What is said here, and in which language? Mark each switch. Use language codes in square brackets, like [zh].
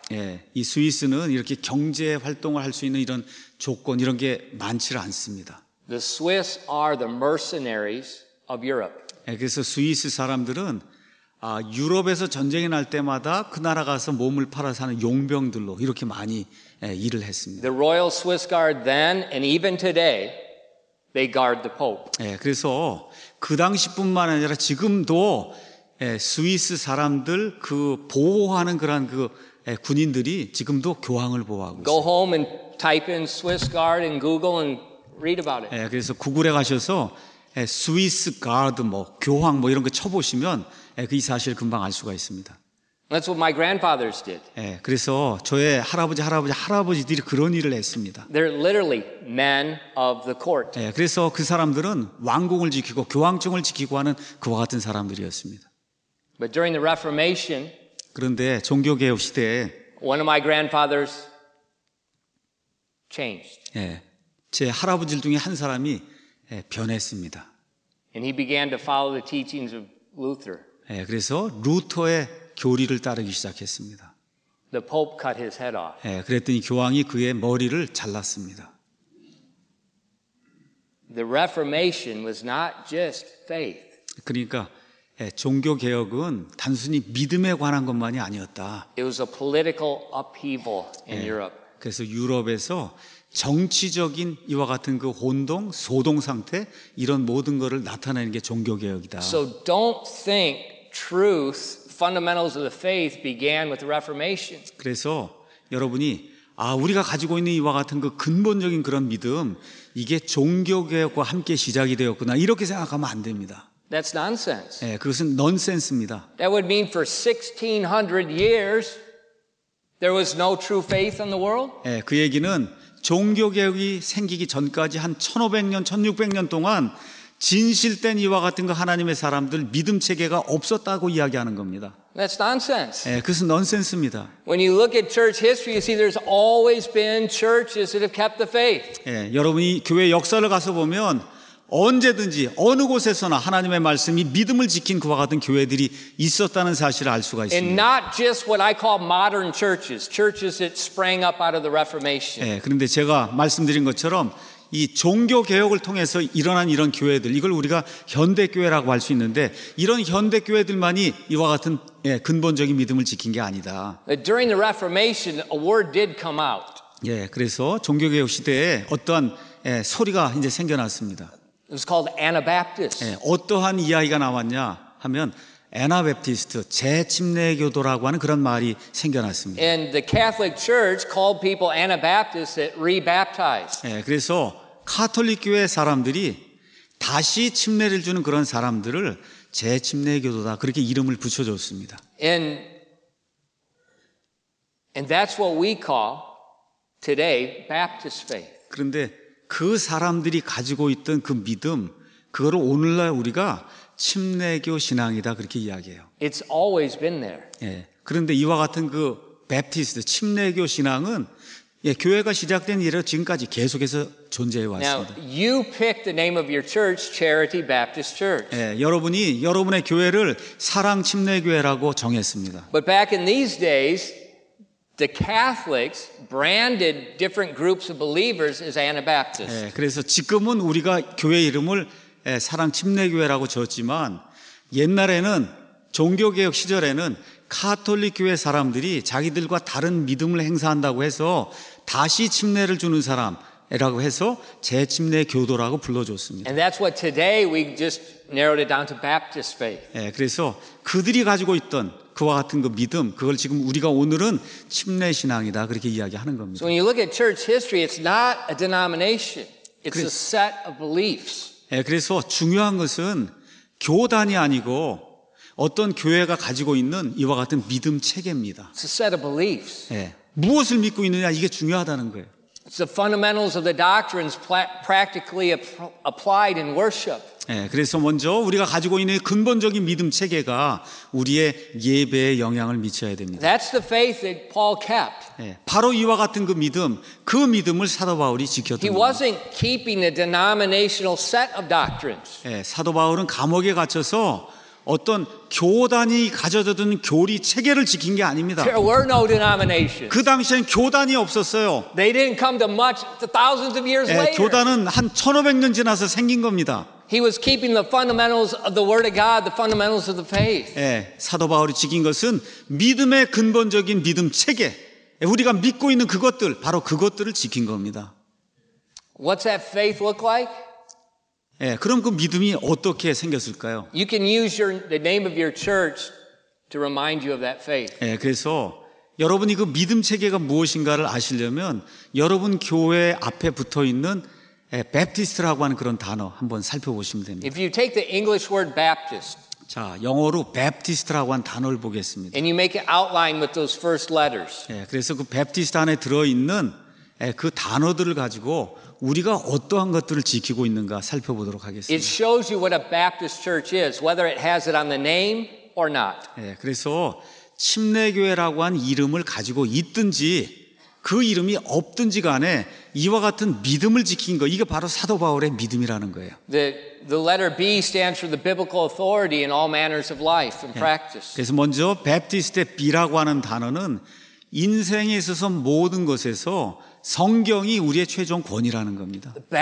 [ko] 예, 이 스위스는 이렇게 경제 활동을 할 수 있는 이런 조건 이런 게 많지를 않습니다. [en] The Swiss are the mercenaries of Europe. [ko] 예, 그래서 스위스 사람들은 유럽에서 전쟁이 날 때마다 그 나라 가서 몸을 팔아 사는 용병들로 이렇게 많이 일을 했습니다. [en] The Royal Swiss Guard then and even today they guard the Pope. [ko] 예, 그래서 그 당시뿐만 아니라 지금도 예, 스위스 사람들 그 보호하는 그런 그 예, 군인들이 지금도 교황을 보호하고 있어요. [en] Go home and type in Swiss Guard in Google and read about it. [ko] 예, 그래서 구글에 가셔서 예, 스위스 가드 뭐 교황 뭐 이런 거 쳐보시면 예, 그 이 사실 금방 알 수가 있습니다. [en] That's what my grandfathers did. [ko] 예, 그래서 저의 할아버지 할아버지 할아버지들이 그런 일을 했습니다. [en] They're literally men of the court. [ko] 예, 그래서 그 사람들은 왕궁을 지키고 교황청을 지키고 하는 그와 같은 사람들이었습니다. [en] But during the Reformation, [ko] 그런데 종교 개혁 시대에 [en] one of my grandfathers changed. [ko] 예, 제 할아버지들 중에 한 사람이 예, 변했습니다. [en] And he began to follow the teachings of Luther. [ko] 예, 그래서 루터의 교리를 따르기 시작했습니다. [en] The Pope cut his head off. [ko] 예, 그랬더니 교황이 그의 머리를 잘랐습니다. [en] The Reformation was not just faith. [ko] 그러니까 예, 종교 개혁은 단순히 믿음에 관한 것만이 아니었다. [en] It was a political upheaval in Europe. [ko] 그래서 유럽에서 정치적인 이와 같은 그 혼동, 소동 상태 이런 모든 것을 나타내는 게 종교 개혁이다. [en] So don't think truth, fundamentals of the faith began with the Reformation. [ko] 그래서 여러분이 우리가 가지고 있는 이와 같은 그 근본적인 그런 믿음 이게 종교 개혁과 함께 시작이 되었구나 이렇게 생각하면 안 됩니다. [en] That's nonsense. [ko] 예, 그것은 넌센스입니다. [en] That would mean for 1600 years there was no true faith in the world. [ko] 예, 그 얘기는 종교 개혁이 생기기 전까지 한 1500년, 1600년 동안 진실된 이와 같은 거 하나님의 사람들 믿음 체계가 없었다고 이야기하는 겁니다. [en] That's nonsense. [ko] 예, 그것은 넌센스입니다. [en] When you look at church history, you see there's always been churches that have kept the faith. [ko] 예, 여러분이 교회 역사를 가서 보면 언제든지 어느 곳에서나 하나님의 말씀이 믿음을 지킨 그와 같은 교회들이 있었다는 사실을 알 수가 있습니다. [en] And not just what I call modern churches, churches that sprang up out of the Reformation. [ko] 예, 그런데 제가 말씀드린 것처럼 이 종교 개혁을 통해서 일어난 이런 교회들, 이걸 우리가 현대 교회라고 할 수 있는데 이런 현대 교회들만이 이와 같은 예, 근본적인 믿음을 지킨 게 아니다. [en] During the Reformation, a word did come out. [ko] 예, 그래서 종교 개혁 시대에 어떠한 예, 소리가 이제 생겨났습니다. [en] It was called Anabaptist. [ko] 예, 어떠한 이야기가 나왔냐 하면 Anabaptist, 재침례교도라고 하는 그런 말이 생겨났습니다. [en] And the Catholic Church called people Anabaptists that rebaptized. [ko] 예, 그래서 가톨릭 교회 사람들이 다시 침례를 주는 그런 사람들을 재침례교도다 그렇게 이름을 붙여줬습니다. [en] And that's what we call today Baptist faith. [ko] 그런데 그 사람들이 가지고 있던 그 믿음, 그거를 오늘날 우리가 침례교 신앙이다 그렇게 이야기해요. [en] It's always been there. [ko] 예. 그런데 이와 같은 그 Baptist 침례교 신앙은 예, 교회가 시작된 이래로 지금까지 계속해서 존재해 왔습니다. [en] Now you pick the name of your church, Charity Baptist Church. [ko] 예, 여러분이 여러분의 교회를 사랑 침례교회라고 정했습니다. [en] But back in these days, the Catholics branded different groups of believers as Anabaptists. [ko] 예, 그래서 지금은 우리가 교회 이름을 예, 사랑 침례교회라고 지었지만 옛날에는 종교개혁 시절에는 카톨릭 교회 사람들이 자기들과 다른 믿음을 행사한다고 해서 다시 침례를 주는 사람이라고 해서 재침례 교도라고 불러줬습니다. [en] And that's what today we just narrowed it down to Baptist faith. [ko] 예, 그래서 그들이 가지고 있던 그와 같은 그 믿음 그걸 지금 우리가 오늘은 침례 신앙이다 그렇게 이야기하는 겁니다. [en] So when you look at church history, it's not a denomination. It's [ko] 그래, [en] a set of beliefs. [ko] 예, 그래서 중요한 것은 교단이 아니고 어떤 교회가 가지고 있는 이와 같은 믿음 체계입니다. [en] It's a set of beliefs. [ko] 예, 무엇을 믿고 있느냐 이게 중요하다는 거예요. [en] It's the fundamentals of the doctrines practically applied in worship. [ko] 예, 그래서 먼저 우리가 가지고 있는 근본적인 믿음 체계가 우리의 예배에 영향을 미쳐야 됩니다. [en] That's the faith that Paul kept. [ko] 예, 바로 이와 같은 그 믿음을 사도 바울이 지켰던 겁니다. [en] He wasn't keeping a denominational set of doctrines. [ko] 예, 사도 바울은 감옥에 갇혀서 어떤 교단이 가져다준 교리 체계를 지킨 게 아닙니다. [en] There were no denominations. [ko] 그 당시엔 교단이 없었어요. [en] They didn't come to much thousands of years later. [ko] 교단은 한 1500년 지나서 생긴 겁니다. [en] He was keeping the fundamentals of the word of God, the fundamentals of the faith. [ko] 예, 사도 바울이 지킨 것은 믿음의 근본적인 믿음 체계. 우리가 믿고 있는 그것들, 바로 그것들을 지킨 겁니다. [en] What's that faith look like? [ko] 예, 그럼 그 믿음이 어떻게 생겼을까요? [en] You can use your, the name of your church to remind you of that faith. [ko] 예, 그래서 여러분이 그 믿음 체계가 무엇인가를 아시려면 여러분 교회 앞에 붙어 있는 Baptist라고 하는 그런 단어 한번 살펴보시면 됩니다. [en] If you take the English word Baptist. [ko] 자, 영어로 Baptist라고 한 단어를 보겠습니다. [en] And you make an outline with those first letters. [ko] 예, 그래서 그 Baptist 안에 들어 있는 그 단어들을 가지고 우리가 어떠한 것들을 지키고 있는가 살펴보도록 하겠습니다. [en] It shows you what a Baptist church is, whether it has it on the name or not. [ko] 예, 그래서 침례교회라고 한 이름을 가지고 있든지 그 이름이 없든지 간에 이와 같은 믿음을 지킨 거, 이게 바로 사도 바울의 믿음이라는 거예요. [en] The letter B stands for the biblical authority in all manners of life and practice. [ko] 예, 그래서 먼저 Baptist의 B라고 하는 단어는 인생에 있어서 모든 것에서 성경이 우리의 최종 권위라는 겁니다.